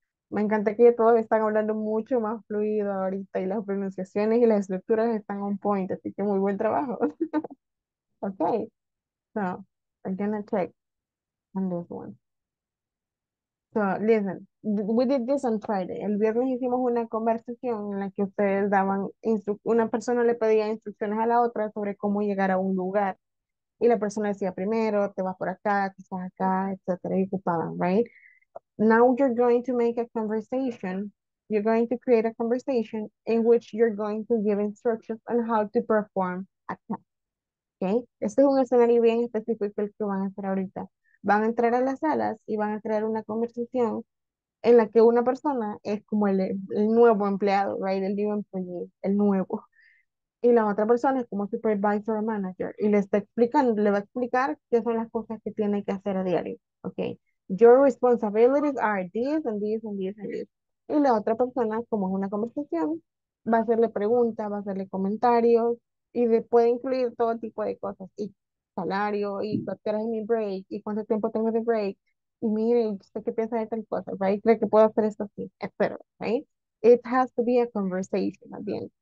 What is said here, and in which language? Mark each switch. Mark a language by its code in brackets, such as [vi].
[es] Me encanta que todos están hablando mucho más fluido ahorita y las pronunciaciones y las estructuras están [en] on point, [es] así que muy buen trabajo. [en] Okay, so I'm gonna check on this one. So, listen, we did this on Friday. [es] El viernes hicimos una conversación en la que ustedes daban, una persona le pedía instrucciones a la otra sobre cómo llegar a un lugar. Y la persona decía primero, te vas por acá, quizás acá, etcétera, y ocupaban, right? [en] Now you're going to make a conversation. You're going to create a conversation in which you're going to give instructions on how to perform a task, okay? [es] Este es un escenario bien específico el que van a hacer ahorita. Van a entrar a las salas y van a crear una conversación en la que una persona es como el nuevo empleado, right? El new employee, el nuevo. Y la otra persona es como supervisor o manager. Y le está explicando, le va a explicar qué son las cosas que tiene que hacer a diario, okay? [en] Your responsibilities are this and this and this and this. [es] Y la otra persona, como es una conversación, va a hacerle preguntas, va a hacerle comentarios y puede incluir todo tipo de cosas. Y salario, y cuánto es mi break, y cuánto tiempo tengo de break, y mire, usted qué piensa de tal cosa, right? ¿Cree que puedo hacer esto así? Espero, right? [en] It has to be a conversation, [es] también.